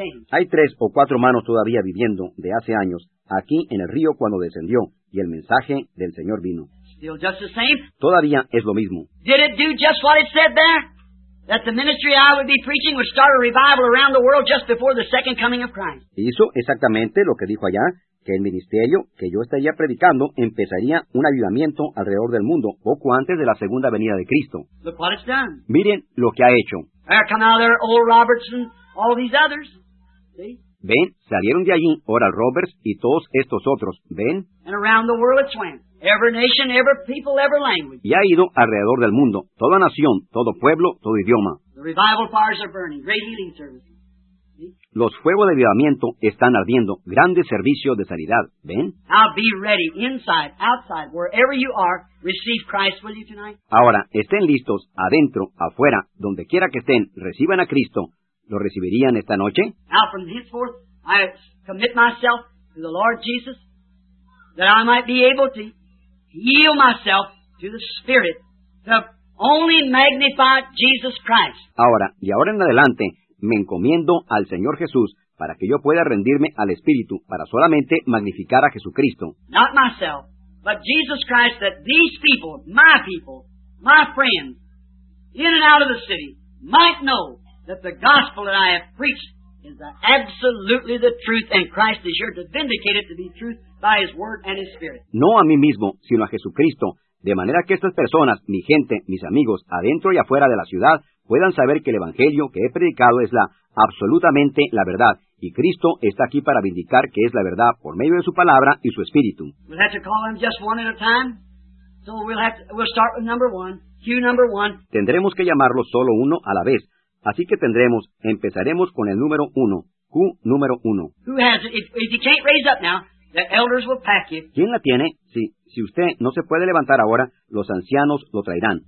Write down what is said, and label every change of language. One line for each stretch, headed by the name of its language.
Spanish: Hay tres o cuatro manos todavía viviendo de hace años aquí en el río cuando descendió y el mensaje del Señor vino.
English: Still just the same.
Spanish: Todavía es lo mismo.
English: Did it do just what it said there? That the ministry I would be preaching would start a revival around the world just before the second coming of Christ.
Spanish: Hizo exactamente lo que dijo allá, que el ministerio que yo estaría predicando empezaría un avivamiento alrededor del mundo poco antes de la segunda venida de Cristo.
English: Look what it's done.
Spanish: Miren lo que ha hecho.
English: There come out there Oral Roberts and all these others. See?
Spanish: Ven, salieron de allí Oral Roberts y todos estos otros. Ven.
English: And around the world it's went. Every nation, every people, every language.
Spanish: Y ha ido alrededor del mundo, toda nación, todo pueblo, todo idioma.
English: The revival fires are burning. Great healing services.
Spanish: Los fuegos de avivamiento están ardiendo, grandes servicios de sanidad. ¿Ven?
English: I'll be ready, inside, outside, wherever you are, receive Christ with you tonight.
Spanish: Ahora, estén listos, adentro, afuera, donde quiera que estén, reciban a Cristo. ¿Lo recibirían esta noche?
English: Now, from henceforth, I commit myself to the Lord Jesus, that I might be able to yield myself to the Spirit, the only magnified Jesus Christ.
Spanish: Ahora, y ahora en adelante, me encomiendo al Señor Jesús para que yo pueda rendirme al Espíritu para solamente magnificar a Jesucristo.
English: Not myself, but Jesus Christ, that these people, my friends, in and out of the city, might know that the gospel that I have preached is absolutely the truth, and Christ is here to vindicate it to be truth by His Word and His Spirit.
Spanish: No a mí mismo, sino a Jesucristo, de manera que estas personas, mi gente, mis amigos, adentro y afuera de la ciudad, puedan saber que el Evangelio que he predicado es la absolutamente la verdad, y Cristo está aquí para vindicar que es la verdad por medio de su palabra y su Espíritu.
English: We'll have to call them just one at a time. So we'll start with number one, Q number one.
Spanish: Tendremos que llamarlos solo uno a la vez. Así que empezaremos con el número uno, Q número uno.
English: Who has it? If you can't raise up now, the elders will pack you.
Spanish: ¿Quién la tiene? Si usted no se puede levantar ahora, los ancianos lo traerán.